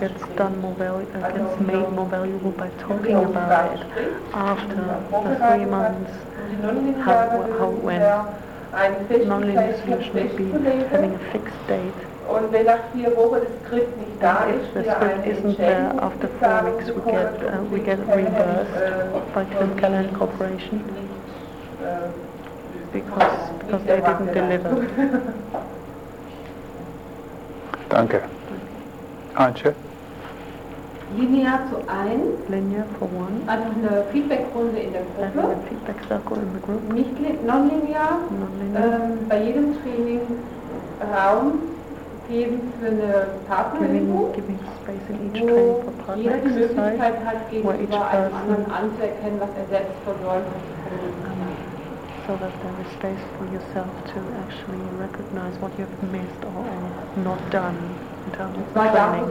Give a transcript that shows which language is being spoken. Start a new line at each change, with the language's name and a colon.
English: gets done more gets made more valuable by talking about it after the 3 months how when non-linear solution would be having a fixed date.
German: Und wenn nach 4 Wochen das Skript nicht da ist, wir eine Entschädigung
English: there, after 4 weeks we get reimbursed by Tim Callahan Corporation because they didn't deliver.
German: Danke. Antje? Linear zu 1.
English: Linear for 1.
German: Also eine Feedback-Runde in der Gruppe.
English: A feedback circle in the group.
German: Nicht non-linear. Bei jedem Training Raum geben für eine Partnerübung,
English: giving space in each
German: wo jeder die Möglichkeit hat, gegenüber einem anderen anzuerkennen, was er selbst verdorben
English: hat. So that there is space for yourself to actually recognize what you have missed or not done in terms of training.